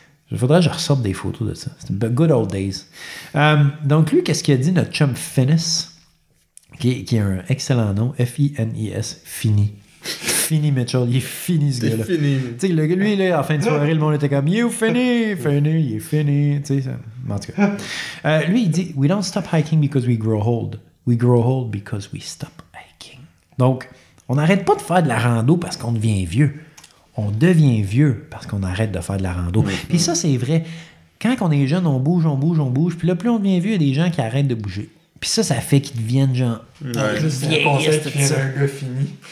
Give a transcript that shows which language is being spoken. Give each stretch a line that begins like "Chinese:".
French: Il faudrait que je ressorte des photos de ça. C'était
English: the good old days.
French: Donc, lui, qu'est-ce qu'il a dit, notre chum Finis, qui a un excellent nom, F-I-N-I-S, fini. Fini Mitchell, il est fini ce gars-là. Fini. Tu sais, lui, là, en fin de soirée, le monde était comme You fini, fini, il est fini. Tu sais, en tout cas. Lui, il dit
English: We don't stop hiking because we grow old. We grow old because we stop hiking.
French: Donc, on n'arrête pas de faire de la rando parce qu'on devient vieux. On devient vieux parce qu'on arrête de faire de la rando. Puis ça, c'est vrai. Quand on est jeune, on bouge, on bouge, on bouge. Puis là, plus on devient vieux, il y a des gens qui arrêtent de bouger. Puis ça fait qu'ils deviennent genre... Un gars fini.